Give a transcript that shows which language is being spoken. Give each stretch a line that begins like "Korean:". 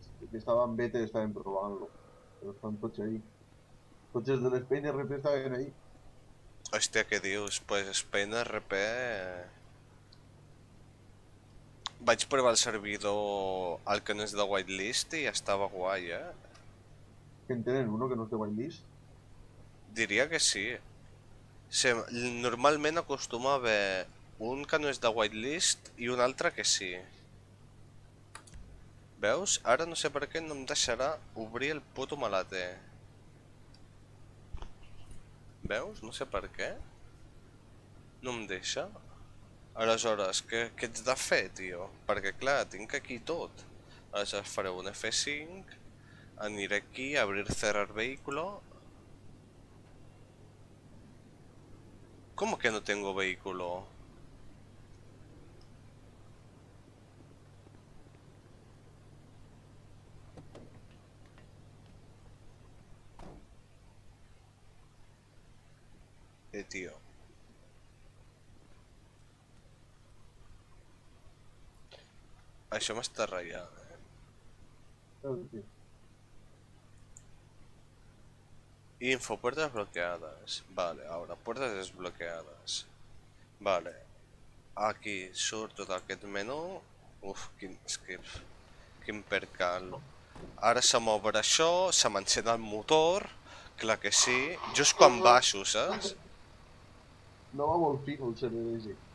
Spanish: Que estaba en beta y estaban probando. Pero están coches ahí. Coches del Spain RP estaban ahí.
Catalan: Hostia, ¿qué dius? Pues Spain RP. Vaig provar el servidor al que no és de whitelist i estava guai, eh?
Spanish: Que en tenen uno que no es de Wildlist.
Catalan: Diria que sí. Normalment acostuma a haver un que no és de whitelist i un altre que sí. Veus? Ara no sé per què no em deixarà obrir el puto malater. Veus? No sé per què. No em deixa. Aleshores, què ets de fer, tio? Perquè clar, tinc aquí tot. Aleshores faré un F5, aniré aquí, abrir, cerrar vehículo.
Spanish: ¿Cómo que no tengo vehículo? Tío.
Catalan: Això m'està ratllant.
Spanish: Info, puertas bloqueadas. Vale, ahora puertas desbloqueadas. Vale.
Catalan: Aquí surt tot aquest menú. Uf, quin skip. Quin percal. Ara se m'obre això, se m'encén el motor. Clar que sí. Just quan baixo, saps? No va molt fi el CDG.